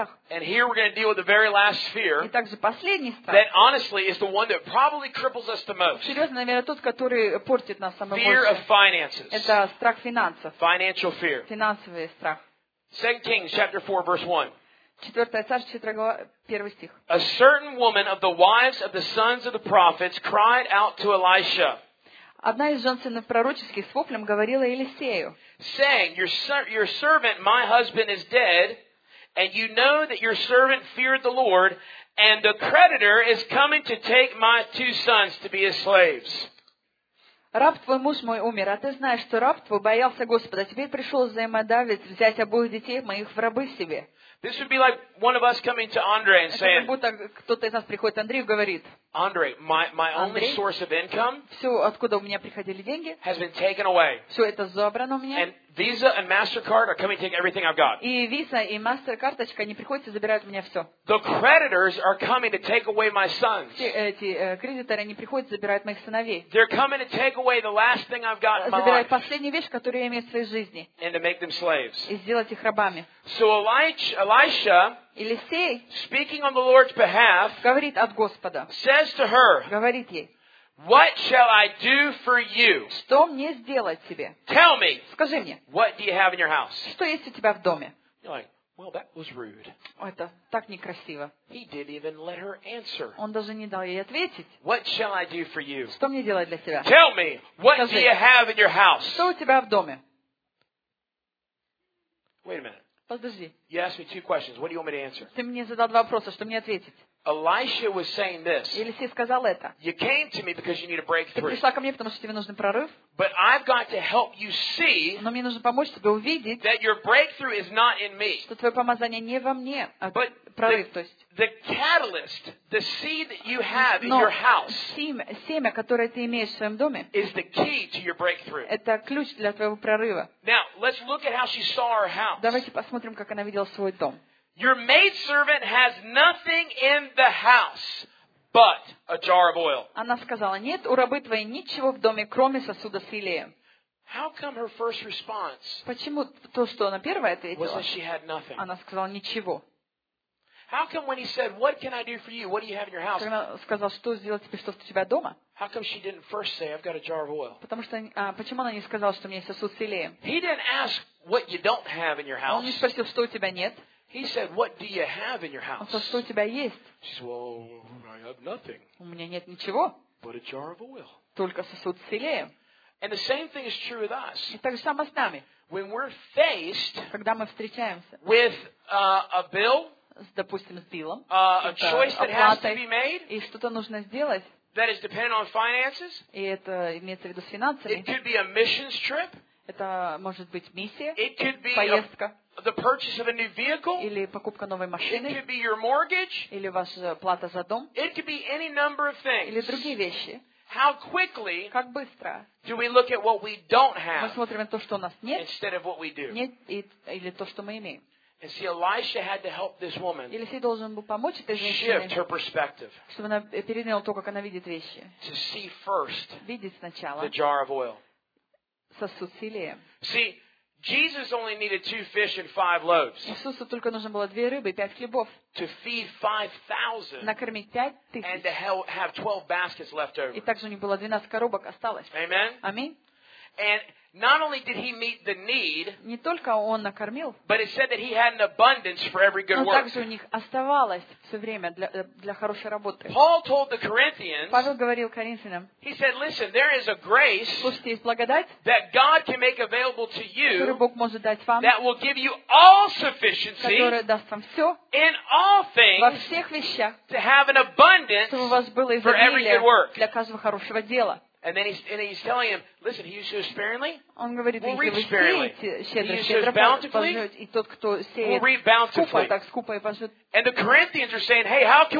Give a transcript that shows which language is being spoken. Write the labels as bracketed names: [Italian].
[English] And here we're going to deal with the very last fear. That honestly is the one that probably cripples us the most. [Russian] Серьезно, наверное, тот, который портит нас самое больше. [English] Fear of finances. [Russian] Это страх финансов. [English] Financial fear. [Russian] Финансовый страх. [English] 2 Kings chapter 4 verse 1. [Russian] 4 Царств, 4 глава, 1 стих. [English] A certain woman of the wives of the sons of the prophets cried out to Elisha. [Russian] Одна из жен сынов пророческих с воплем говорила Елисею. [English] Saying, your servant, my husband, is dead, and you know that your servant feared the Lord, and the creditor is coming to take my two sons to be his slaves. [Russian] Раб твой, муж мой, умер, а ты знаешь, что раб твой боялся Господа. Теперь пришел взаимодавец взять обоих детей моих в рабы себе. [English] This would be like one of us coming to Andre and saying, [Russian] как будто кто-то из нас приходит Андрею и говорит, [English] Andre, my only source of income, [Russian] все, откуда у меня приходили деньги, [English] has been taken away. [Russian] Все это забрано у меня. [English] And Visa and MasterCard are coming to take everything I've got. [Russian] И Visa и MasterCardочка, они приходят и забирают у меня все. [English] The creditors are coming to take away my sons. [Russian] Эти кредиторы, они приходят и забирают моих сыновей. [English] They're coming to take away the last thing I've got in my life. [Russian] Забирают последнюю вещь, которую я имею в своей жизни. [English] And to make them slaves. [Russian] И сделать их рабами. [English] So Elisha, [Russian] Елисей, [English] speaking on the Lord's behalf, [Russian] говорит от Господа, [English] says to her, [Russian] говорит ей, [English] what shall I do for you? [Russian] Что мне сделать тебе? [English] Tell me. [Russian] Скажи мне. [English] What do you have in your house? [Russian] Что есть у тебя в доме? [English] You're like, well, that was rude. [Russian] Это так некрасиво. [English] He didn't even let her answer. [Russian] Он даже не дал ей ответить. [English] What shall I do for you? [Russian] Что мне делать для тебя? [English] Tell me. What do you have in your house? [Russian] Что у тебя в доме? [English] Wait a minute. [Russian] Подожди. [English] You asked me two questions. What do you want me to answer? [Russian] Ты мне задал два вопроса. Что мне ответить? [English] Elisha was saying this. [Russian] Елисей сказал это. [English] You came to me because you need a breakthrough. [Russian] Ты пришла ко мне, потому что тебе нужен прорыв. [English] But I've got to help you see. [Russian] Но мне нужно помочь тебе увидеть. [English] That your breakthrough is not in me. [Russian] Что твое помазание не во мне, а [English] but [Russian] прорыв, то есть. [English] The catalyst, the seed that you have in your house. [Russian] Семя, которое ты имеешь в своем доме. [English] Is the key to your breakthrough. [Russian] Это ключ для твоего прорыва. [English] Now let's look at how she saw her house. [Russian] Давайте посмотрим, как она видела свой дом. [English] Your maidservant has nothing in the house but a jar of oil. [Russian] Она сказала: "Нет, у рабы твоей ничего в доме, кроме сосуда с елеем". [English] How come her first response? [Russian] Почему то, что она первая ответила? [English] Was that she had nothing. [Russian] Она сказала: "Ничего". [English] How come when he said, "What can I do for you? What do you have in your house?" [Russian] Она сказала: "Что сделать тебе, что у тебя дома?" [English] How come she didn't first say, "I've got a jar of oil"? [Russian] Потому что почему она не сказала, что у меня есть сосуд с елеем? [English] He didn't ask what you don't have in your house. [Russian] Он не спросил, что у тебя нет. [English] He said, "What do you have in your house?" [Russian] Он сказал, что у тебя есть. [English] She said, "Well, I have nothing." [Russian] У меня нет ничего. [English] But a jar of oil. [Russian] Только сосуд с елеем. [English] And the same thing is true with us. [Russian] И так же самое с нами. [English] When we're faced, [Russian] когда мы встречаемся, [English] with a bill, [Russian] допустим, с биллом, [English] a choice that has to be made, [Russian] и что-то нужно сделать, [English] that is dependent on finances, [Russian] и это имеется в виду с финансами. [English] It could be a missions trip. [Russian] Это может быть миссия. [English] It could be [Russian] поездка. [English] the purchase of a new vehicle, [Russian] или покупка новой машины, [English] it could be your mortgage, [Russian] или ваша плата за дом, [English] it could be any number of things, [Russian] или другие вещи. [English] How quickly [Russian] как быстро [English] do we look at what we don't have, [Russian] мы смотрим на то, что у нас нет, [English] instead of what we do. [Russian] Нет, или то, что мы имеем. [English] And see, Elisha had to help this woman shift her perspective, [Russian] чтобы она переняла то, как она видит вещи, [English] to see first [Russian] видеть сначала [English] the jar of oil. [Russian] Сосуд с елеем. [English] See, Jesus only needed 2 fish and 5 loaves. [Russian] Иисусу только нужно было 2 рыбы и 5 хлебов. [English] To feed 5,000. [Russian] Накормить 5,000. [English] And to have 12 baskets left over. [Russian] И также у него было 12 коробок осталось. [English] Amen. [Russian] Аминь. [English] And not only did he meet the need, [Russian] не только он накормил, [English] but it said that he had an abundance for every good work. [Russian] Но также у них оставалось все время для хорошей работы. [English] Paul told the Corinthians, [Russian] Павел говорил коринфянам, [English] he said, listen, there is a grace, [Russian] слушайте, есть благодать, [English] that God can make available to you, [Russian] которую Бог может дать вам, [English] that will give you all sufficiency, [Russian] которая даст вам все, [English] in all things, [Russian] во всех вещах, [English] to have an abundance, [Russian] чтобы у вас было изобилие, [English] for every good work. [Russian] Для каждого хорошего дела. [English] And then he's telling him, listen, he who sows sparingly, [Russian] говорит, [English] will reap sparingly. [Russian] Щедро, [English] he who sows bountifully, [Russian] тот, сеет, [English] will reap bountifully. [Russian] Скупо, так, скупо пожнет... [English] And the Corinthians are saying, hey, how can